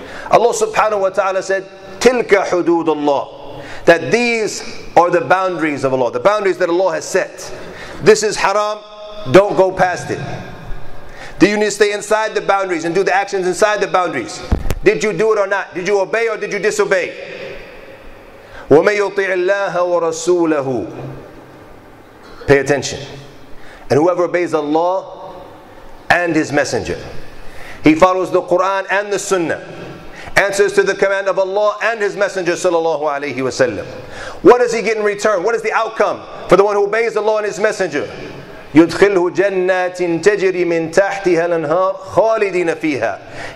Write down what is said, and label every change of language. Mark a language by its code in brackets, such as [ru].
[en] Allah subhanahu wa ta'ala said, [ar] تِلْكَ حُدُودُ اللَّهِ, [en] that these are the boundaries of Allah, the boundaries that Allah has set. This is haram, don't go past it. Do you need to stay inside the boundaries and do the actions inside the boundaries? Did you do it or not? Did you obey or did you disobey? [ar] وَمَنْ يُطِعِ اللَّهَ وَرَسُولَهُ, [en] pay attention. And whoever obeys Allah and His Messenger, he follows the Quran and the Sunnah, answers to the command of Allah and His Messenger sallallahu alayhi wa sallam. What does he get in return? What is the outcome for the one who obeys Allah and His Messenger? [ar] يُدْخِلْهُ جَنَّاتٍ تَجْرِي مِنْ تَحْتِهَا الْأَنْهَارُ خَالِدِينَ فِيهَا.